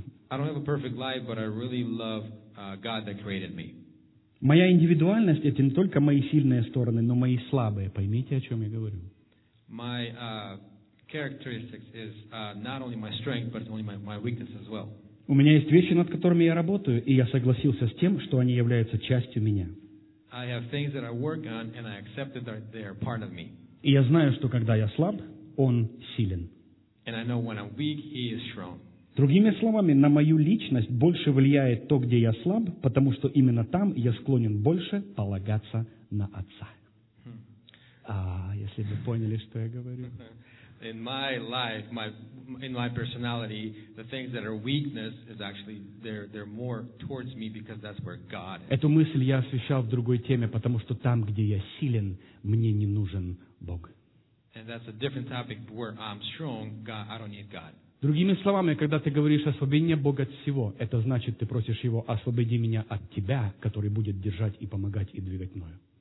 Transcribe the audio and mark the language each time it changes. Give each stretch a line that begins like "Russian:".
English: I don't have a perfect life, but I really love God that created me.
Russian: Моя индивидуальность — это не только мои сильные стороны, но мои слабые. Поймите, о чем я говорю.
English: My characteristics is not only my strength, but only my weakness as well.
Russian: У меня есть вещи, над которыми я работаю, и я согласился с тем, что они являются частью меня.
English: I have things that I work on, and I accept that they are part of me.
Russian: И я знаю, что когда я слаб, он силен.
English: And I know when I'm weak, he is strong.
Russian: Другими словами, на мою личность больше влияет то, где я слаб, потому что именно там я склонен больше полагаться на Отца. А, если бы поняли, что я говорю.
English: in my life, in my personality, the things that are weakness is actually they're more towards me because that's where God is.
Russian: Эту мысль я освещал в другой теме, потому что там, где я силен, мне не нужен Бог.
English: And that's a different topic where I'm strong, God, I don't need God.
Russian: Другими словами, когда ты говоришь «Освободи меня, Бог, от всего», это значит, ты просишь Его «Освободи меня от тебя, который будет держать и помогать и двигать мною».